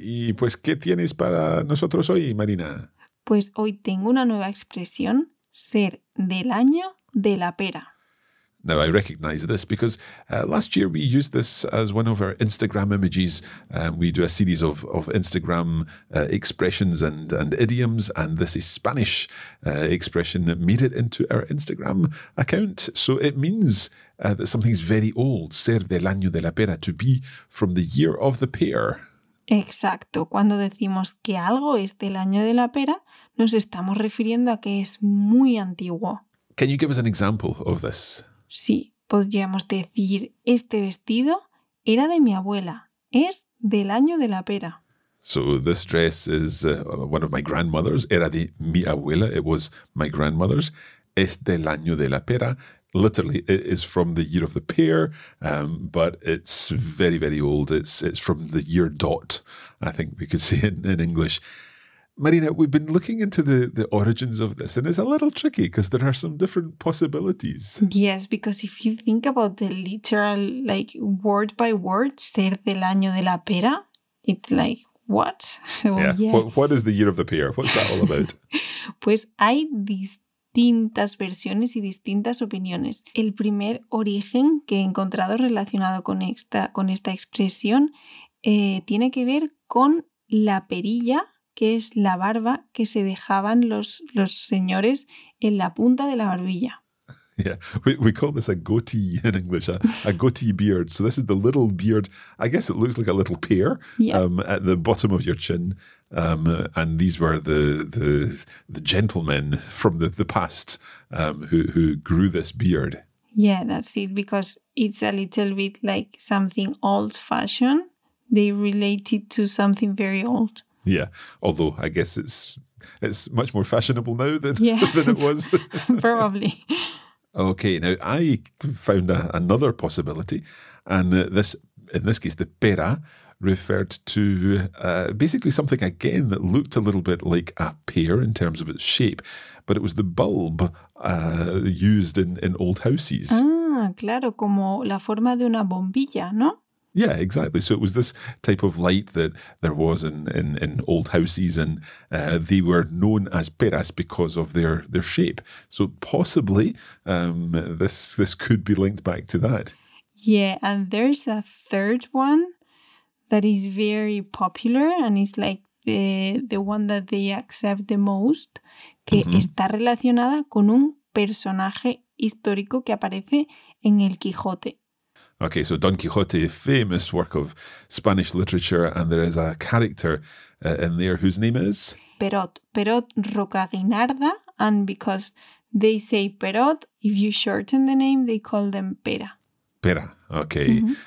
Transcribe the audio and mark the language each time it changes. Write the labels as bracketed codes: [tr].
[es] ¿Y pues qué tienes para nosotros hoy, Marina? Pues hoy tengo una nueva expresión, ser del año de la pera. [en] Now, I recognize this because last year we used this as one of our Instagram images. We do a series of Instagram expressions and idioms, and this is Spanish expression that made it into our Instagram account. So it means that something's very old, [es] ser del año de la pera, [en] to be from the year of the pear. [es] Exacto. Cuando decimos que algo es del año de la pera, nos estamos refiriendo a que es muy antiguo. [en] Can you give us an example of this? [es] Sí, podríamos decir, este vestido era de mi abuela, es del año de la pera. [en] So this dress is one of my grandmother's, [es] era de mi abuela, [en] it was my grandmother's. [es] es del año de la pera. [en] Literally, it is from the year of the pear, but it's very, very old. It's from the year dot, I think we could say in English. Marina, we've been looking into the origins of this, and it's a little tricky because there are some different possibilities. Yes, because if you think about the literal, like, word by word, [es] ser del año de la pera, [en] it's like, what? What is the year of the pear? What's that all about? [es] Pues hay distintas versiones y distintas opiniones. El primer origen que he encontrado relacionado con esta expresión tiene que ver con la perilla, que es la barba que se dejaban los señores en la punta de la barbilla. [en] Yeah, we call this a goatee in English, a goatee beard. So this is the little beard. I guess it looks like a little pear, yeah, at the bottom of your chin. And these were the gentlemen from the past who grew this beard. Yeah, that's it, because it's a little bit like something old-fashioned. They related to something very old. Yeah, although I guess it's much more fashionable now than it was. Probably. Okay, now I found another possibility, and in this case, the pera referred to basically something again that looked a little bit like a pear in terms of its shape, but it was the bulb used in old houses. [es] Ah, claro, como la forma de una bombilla, ¿no? [en] Yeah, exactly. So it was this type of light that there was in old houses, and they were known as peras because of their shape. So possibly this could be linked back to that. Yeah, and there's a third one that is very popular, and it's like the one that they accept the most, que mm-hmm. [es] está relacionada con un personaje histórico que aparece en El Quijote. [en] Okay, so Don Quixote, famous work of Spanish literature, and there is a character in there whose name is? Perot Rocaguinarda, and because they say Perot, if you shorten the name, they call them Pera. Pera, okay. Mm-hmm.